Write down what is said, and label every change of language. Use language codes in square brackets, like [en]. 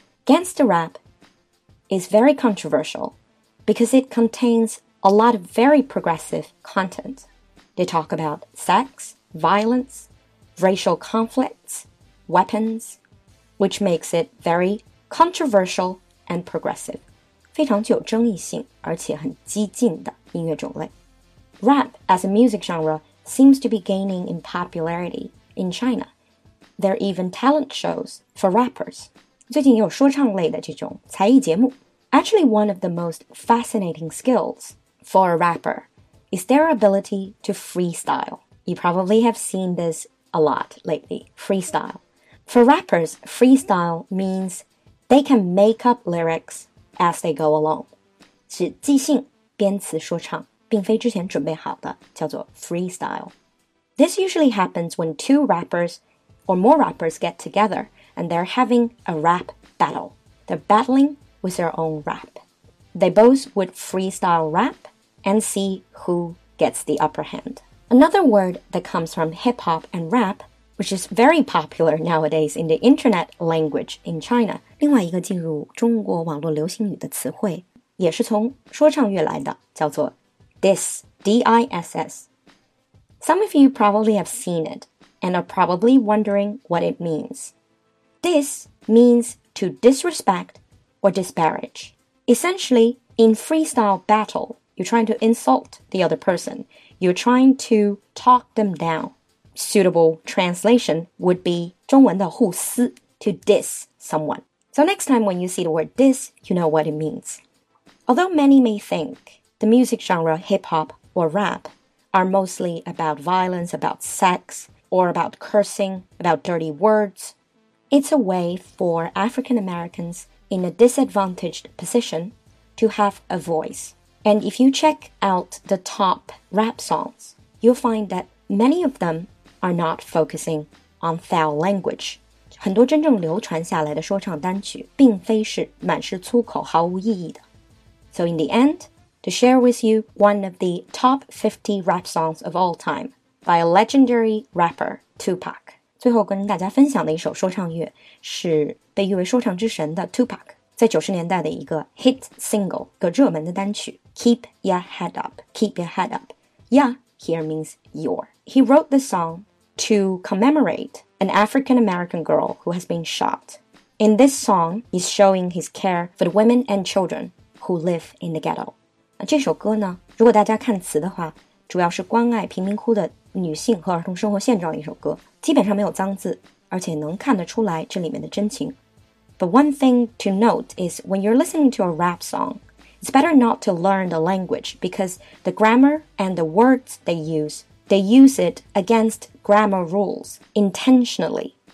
[en] Gangster rap is very controversial because it contains a lot of very progressive content. They talk about sex, violence, racial conflicts, weapons, which makes it very controversial and progressive. [zh] 非常具有争议性而且很激进的音乐种类。 [en] Rap as a music genre seems to be gaining in popularity in China. There are even talent shows for rappers. [zh] 最近也有说唱类的这种才艺节目。 [en] Actually, one of the most fascinating skills for a rapper is their ability to freestyle. You probably have seen this a lot lately, freestyle. For rappers, freestyle means they can make up lyrics as they go along. [zh] 是即兴编词说唱。并非之前准备好的叫做 freestyle. [en] This usually happens when two rappers or more rappers get together and they're having a rap battle. They're battling with their own rap. They both would freestyle rap and see who gets the upper hand. Another word that comes from hip-hop and rap, which is very popular nowadays in the internet language in China. [zh] 另外一个进入中国网络流行语的词汇也是从说唱乐来的叫做 [en] This, D-I-S-S. Some of you probably have seen it and are probably wondering what it means. This means to disrespect or disparage. Essentially, in freestyle battle, you're trying to insult the other person. You're trying to talk them down. Suitable translation would be [zh] 中文的互撕 [en] to diss someone. So next time when you see the word diss, you know what it means. Although many may think,The music genre hip-hop or rap are mostly about violence, about sex, or about cursing, about dirty words. It's a way for African-Americans in a disadvantaged position to have a voice. And if you check out the top rap songs, you'll find that many of them are not focusing on foul language. [zh] 很多真正流传下来的说唱单曲并非是满是粗口毫无意义的。 [en] So in the end,To share with you one of the top 50 rap songs of all time by a legendary rapper, Tupac. [zh] 最后跟大家分享的一首说唱乐是被誉为说唱之神的 Tupac 在90年代的一个 hit single, 个热门的单曲 [en] Keep Your Head Up. Keep Your Head Up. Yeah, here means your. He wrote this song to commemorate an African-American girl who has been shot In this song, he's showing his care for the women and children who live in the ghetto. [zh] 这首歌呢，如果大家看词的话，主要是关爱贫民窟的女性和儿童生活现状一首歌，基本上没有脏字，而且能看得出来这里面的真情。 [en] But one thing to note is when you're listening to a rap song, it's better not to learn the language because the grammar and the words they use it against grammar rules intentionally.